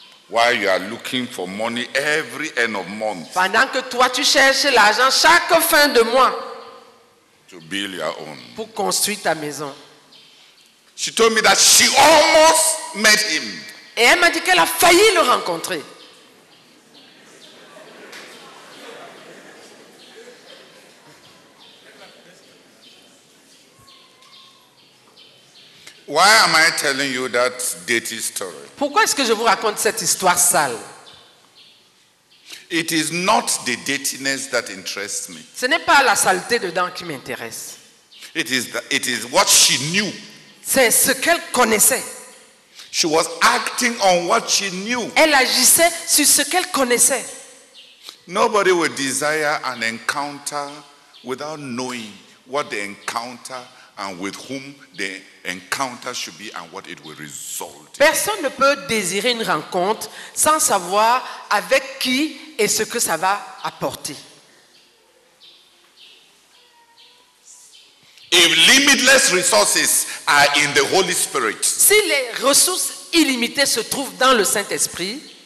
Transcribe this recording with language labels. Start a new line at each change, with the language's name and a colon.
English: While you are looking for money every end of month.
French: Pendant que toi tu cherches l'argent chaque fin de mois.
English: To build your own.
French: Pour construire ta maison.
English: She told me that she almost met him.
French: Et elle m'a dit qu'elle a failli le rencontrer.
English: Do Why am I telling you that dirty story?
French: Pourquoi est-ce que je vous raconte cette histoire sale?
English: It is not the dirtiness that interests me.
French: Ce n'est pas la saleté dedans qui m'intéresse.
English: It is what she knew.
French: C'est ce qu'elle connaissait.
English: She was acting on what she knew.
French: Elle agissait sur ce qu'elle connaissait.
English: Nobody would desire an encounter without knowing what the encounter and with whom the encounter should be and what it will result in.
French: Personne ne peut désirer une rencontre sans savoir avec qui et ce que ça va apporter.
English: If limitless resources are in the Holy Spirit,
French: si les ressources illimitées se trouvent dans le Saint-Esprit,